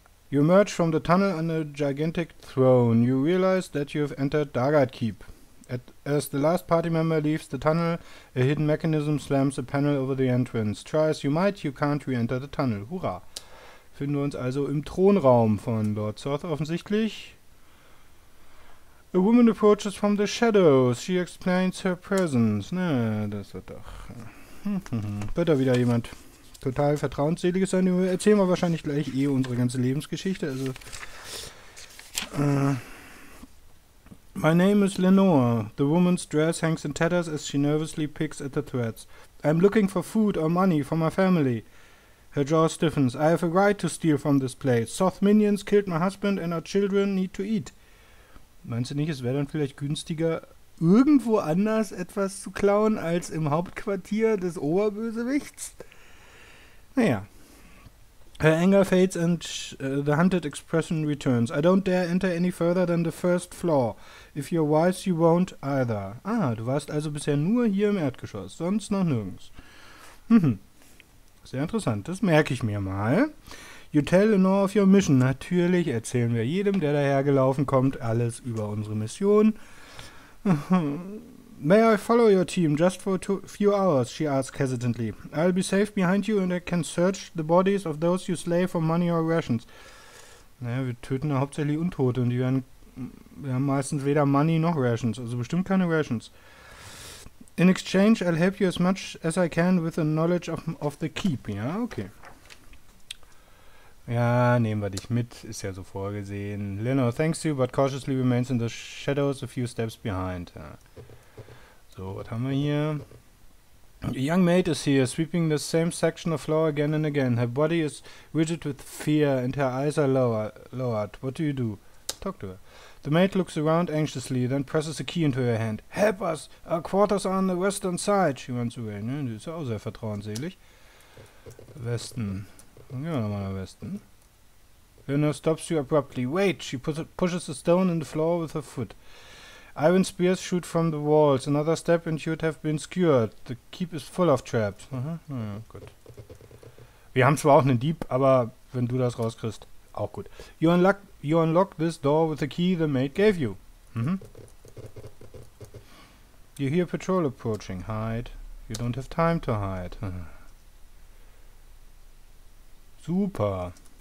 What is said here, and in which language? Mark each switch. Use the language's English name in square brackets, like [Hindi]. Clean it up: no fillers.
[English] You emerge from the tunnel on a gigantic throne. You realize that you have entered Dagat Keep. As the last party member leaves the tunnel, a hidden mechanism slams a panel over the entrance. Try as you might, you can't re-enter the tunnel. [German] Hurra! Finden wir uns also im Thronraum von Lord Soth offensichtlich. [English] A woman approaches from the shadows. She explains her presence. [German] Na, das wird doch. Wird da wieder jemand. Total vertrauensselig sein. Erzählen wir wahrscheinlich gleich eh unsere ganze Lebensgeschichte. [English] Also, my name is Lenore. The woman's dress hangs in tatters as she nervously picks at the threads. I'm looking for food or money for my family. Her jaw stiffens. I have a right to steal from this place. Soth minions killed my husband and our children need to eat. [German] Meinst du nicht, es wäre dann vielleicht günstiger, irgendwo anders etwas zu klauen als im Hauptquartier des Oberbösewichts? Naja. [English] Her anger fades and the hunted expression returns. I don't dare enter any further than the first floor. If you're wise, you won't either. [German] Ah, du warst also bisher nur hier im Erdgeschoss, sonst noch nirgends. Sehr interessant, das merke ich mir mal. [English] You tell Lenore of your mission. [German] Natürlich erzählen wir jedem, der dahergelaufen kommt, alles über unsere Mission. [English] May I follow your team just for a few hours? She asks hesitantly. I'll be safe behind you and I can search the bodies of those you slay for money or rations. [German] Naja, wir töten ja hauptsächlich Untote und wir haben meistens weder Money noch Rations, also bestimmt keine Rations. [English] In exchange, I'll help you as much as I can with the knowledge of the keep. [German] Ja, okay. Ja, nehmen wir dich mit, ist ja so vorgesehen. [English] Leno thanks you, but cautiously remains in the shadows a few steps behind. [German] Ja. So, was haben wir hier? [English] A young maid is here, sweeping the same section of floor again and again. Her body is rigid with fear and her eyes are lowered. What do you do? Talk to her. The maid looks around anxiously, then presses a key into her hand. Help us! Our quarters are on the western side! She runs away. [German] Ne? Die ist ja auch sehr vertrauensselig. Westen. Dann gehen wir nochmal nach Westen. [English] Lena stops you abruptly. Wait! She pushes a stone in the floor with her foot. Iron spears shoot from the walls. Another step and you'd have been skewered. The keep is full of traps. [German] Naja, gut. Wir haben zwar auch einen Dieb, aber wenn du das rauskriegst, auch gut. [English] You unlock this door with the key the maid gave you. You hear patrol approaching. Hide. You don't have time to hide. [German] Super.